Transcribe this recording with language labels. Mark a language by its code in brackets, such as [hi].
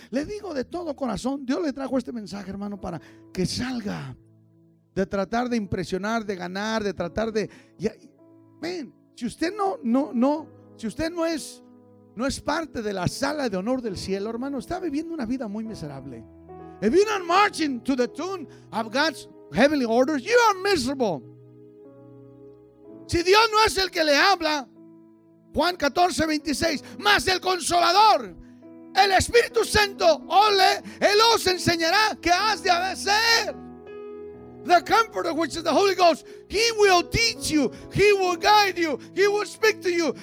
[es] Le digo de todo corazón, Dios le trajo este mensaje, hermano, para que salga de tratar de impresionar, de ganar, de tratar de... Ven, si usted no es parte de la sala de honor del cielo, hermano, está viviendo una vida muy miserable. [en] If you're not marching to the tune of God's heavenly orders, you are miserable. [es] Si Dios no es el que le habla, Juan 14, 26, más el Consolador, el Espíritu Santo, ole, Él os enseñará qué has de hacer. [en] The Comforter, which is the Holy Ghost, He will teach you, He will guide you, He will speak to you.